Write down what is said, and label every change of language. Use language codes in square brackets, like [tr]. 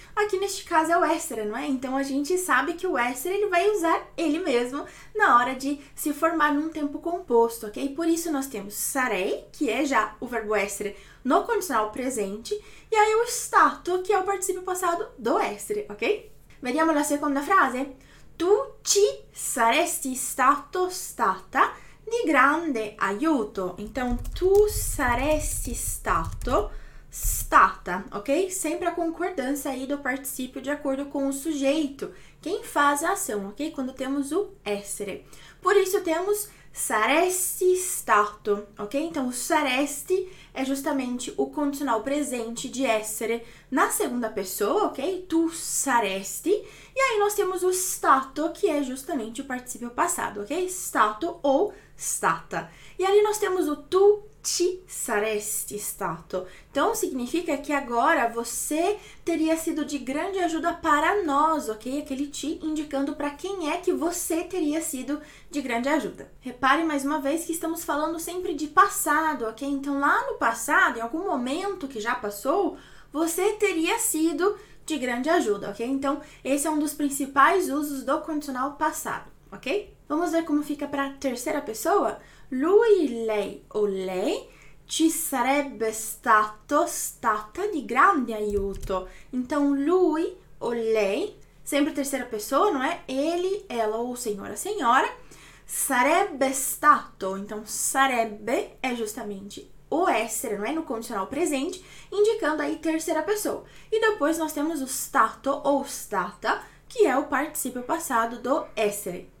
[pt] Aqui, neste caso, é o essere, não é? Então, a gente sabe que o essere ele vai usar ele mesmo na hora de se formar num tempo composto, ok? Por isso, nós temos sarei, que é já o verbo essere no condicional presente, e aí o stato, que é o participio passado do essere, ok? [it] Vediamo la seconda frase. Tu ci saresti stato, stata di grande aiuto. [pt] Então, [it] tu saresti stato, stata, [pt] ok? Sempre a concordância aí do participio de acordo com o sujeito. Quem faz a ação, ok? Quando temos o essere. Por isso, temos saresti stato, ok? Então, o saresti é justamente o condicional presente de essere na segunda pessoa, ok? [it] Tu saresti. [pt] E aí, nós temos o stato, que é justamente o participio passado, ok? Stato ou stata. E ali nós temos o [it] tu ti saresti stato. [pt] Então, significa que agora você teria sido de grande ajuda para nós, ok? Aquele ti indicando para quem é que você teria sido de grande ajuda. Repare mais uma vez que estamos falando sempre de passado, ok? Então, lá no passado, em algum momento que já passou, você teria sido de grande ajuda, ok? Então, esse é um dos principais usos do condicional passado, ok? Vamos ver como fica para a terceira pessoa? [it] Lui, lei ou lei ci sarebbe stato, stata di grande aiuto. [pt] Então, lui ou lei, sempre terceira pessoa, não é? Ele, ela ou senhora, senhora, [it] sarebbe stato. [pt] Então, sarebbe é justamente o essere, não é? No condicional presente, indicando aí terceira pessoa. E depois nós temos o stato ou stata, que é o participio passado do essere.